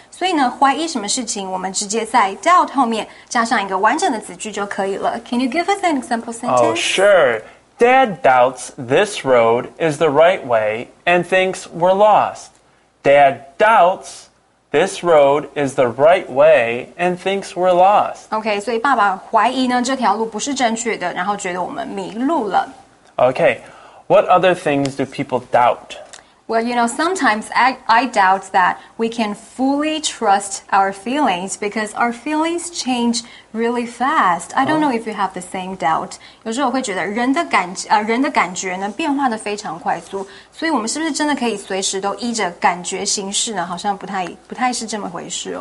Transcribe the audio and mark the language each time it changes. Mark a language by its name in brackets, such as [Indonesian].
[Chinese] 所以呢，怀疑什么事情，我们直接在 doubt 后面加上一个完整的子句就可以了。 [English] Can you give us an example sentence? Oh, sure. Dad doubts this road is the right way and thinks we're lost. Dad doubts this road is the right way and thinks we're lost. [Chinese] Okay, 所以爸爸怀疑呢这条路不是正确的，然后觉得我们迷路了。 [English] Okay, what other things do people doubt? Well, you know, sometimes I doubt that we can fully trust our feelings because our feelings change really fast. I don't know if you have the same doubt. [Chinese] 有时候我会觉得人的感觉呢变化得非常快速，所以我们是不是真的可以随时都依着感觉行事呢？好像不太是这么回事。